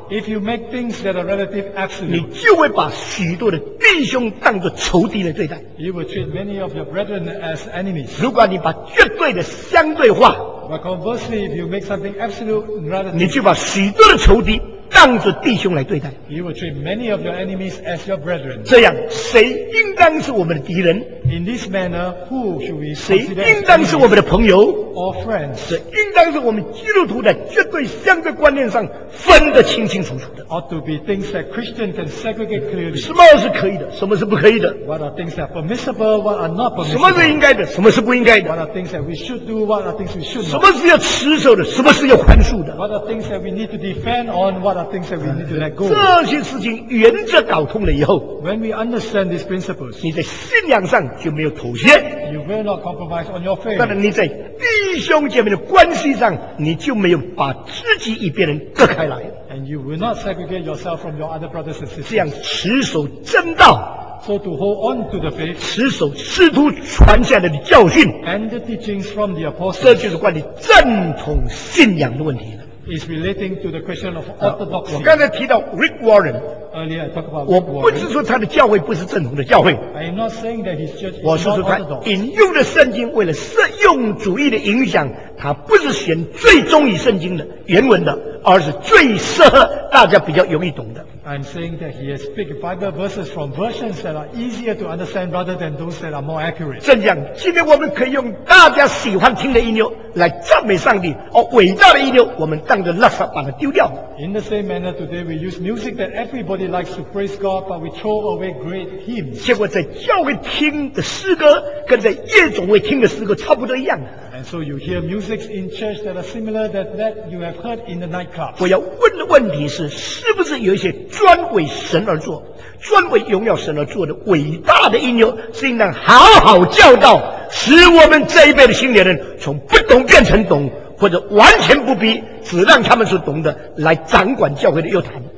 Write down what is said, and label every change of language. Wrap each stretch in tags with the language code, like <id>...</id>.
<en>If you make things that are relative absolute,</en> <zh>你就会把许多的弟兄当作仇敌来对待。</zh> <en>You will treat many of your brethren as enemies.</en> <zh>如果你把绝对的相对化，</zh> <en>But conversely, if you make something absolute rather than</en> <zh>你就把许多的仇敌当作弟兄来对待。</zh> <en>You will treat many of your enemies as your brethren.</en> <zh>这样，谁应当是我们的敌人？</zh> <en>In this manner, who should we</en> <zh>谁应当是我们的朋友？</zh> <en>Or friends.</en> <zh>这应当是我们基督徒的绝对相对观念上分得清清楚楚的。</zh> <en>Ought to be things that Christians can segregate clearly.</en> <zh>什么是可以的？什么是不可以的？</zh> <en>What are things that are permissible? What are not permissible?</en> <zh>什么是应该的？什么是不应该的？</zh> <en>What are things that we should do? What are things we should not?</en> <zh>什么是要持守的？什么是要宽恕的？</zh> <en>What are things that we need to defend on? What are things that we need to let go?</en> <zh>这些事情原则搞通了以后，</zh> <en>When we understand these principles,</en> <zh>你在信仰上就没有妥协。</zh> <en>You will not compromise on your faith.</en> <zh>但是你在弟兄姐妹的关系上，你就没有把自己与别人隔开来。</zh> <en>And you will not segregate yourself from your other brothers and sisters.</en> <zh>这样持守正道，</zh> <en>So to hold on to the faith,</en> <zh>持守师徒传下来的教训，</zh> <en>And the teachings from the apostles.</en> <zh>这就是关于正统信仰的问题了。</zh> <en>Is relating to the question of orthodoxy.</en> <zh>我刚才提到 Rick Warren，</zh> <en>Earlier I talked about</en> <zh>Rick Warren. 我不是说他的教会不是正统的教会，</zh> <en>I am not saying that his church is not orthodox.</en> <zh>我是说他引用的圣经为了实用主义的影响，他不是选最忠于圣经的原文的，而是最适合大家比较容易懂的。</zh> <en>I'm saying that he has picked Bible verses from versions that are easier to understand rather than those that are more accurate.</en> <zh>正讲，今天我们可以用大家喜欢听的音流来赞美上帝，而伟大的音流我们当着垃圾把它丢掉。</zh> <en>In the same manner, today we use music that everybody likes to praise God, but we throw away great hymns.</en> <zh>结果在教会听的诗歌跟在夜总会听的诗歌差不多一样。</zh> <en>And so you hear music in church that are similar to that you have heard in the nightclub.</en> <zh>我要问的问题是，是不是有一些专为神而做，专为荣耀神而做的伟大的音乐，是应当好好教导，使我们这一辈的青年人从不懂变成懂，或者完全不必，只让他们所懂的来掌管教会的乐坛。</zh>